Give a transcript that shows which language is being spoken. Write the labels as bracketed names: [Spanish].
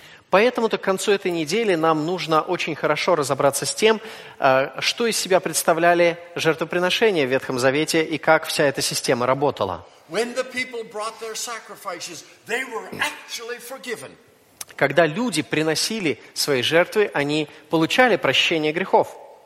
[Russian] Поэтому-то к концу этой недели нам нужно очень хорошо разобраться с тем, что из себя представляли жертвоприношения в Ветхом Завете и как вся эта система работала. [English] When the people brought their sacrifices, they were actually forgiven. [Russian] Когда люди приносили свои жертвы, они получали прощение грехов.